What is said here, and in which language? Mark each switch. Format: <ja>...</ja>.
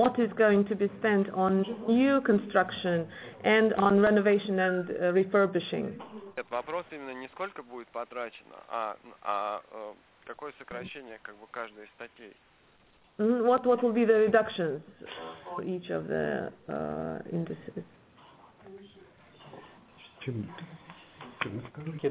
<en>What is going to be spent on new construction and on renovation and refurbishing?</en> <ru>Нет, вопрос именно не сколько будет потрачено, а какое сокращение как бы каждой статьи.</ru> <en>What will be the reductions for each of the indices?</en>